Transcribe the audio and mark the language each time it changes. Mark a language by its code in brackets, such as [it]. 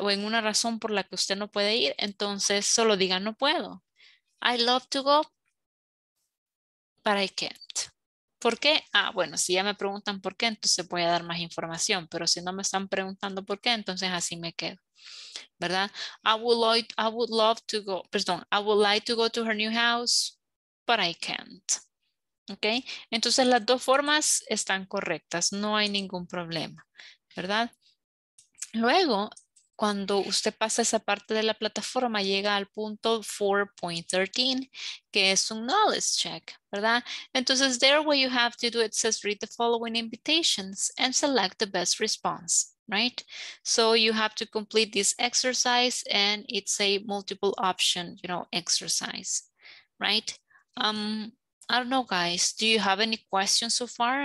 [es] O en una razón por la que usted no puede ir, entonces solo diga no puedo. [en] I love to go, but I can't. [es] ¿Por qué? Ah, bueno, si ya me preguntan por qué, entonces voy a dar más información. Pero si no me están preguntando por qué, entonces así me quedo, ¿verdad? [en] I would like to go to her new house, but I can't. [es] ¿Ok? Entonces las dos formas están correctas. No hay ningún problema, ¿verdad? Luego, cuando usted pasa esa parte de la plataforma, llega al punto 4.13, que es un knowledge check, ¿verdad? [en] Entonces, there what you have to do, it says read the following invitations and select the best response, right? So you have to complete this exercise and it's a multiple option, you know, exercise, right? I don't know, guys, do you have any questions so far?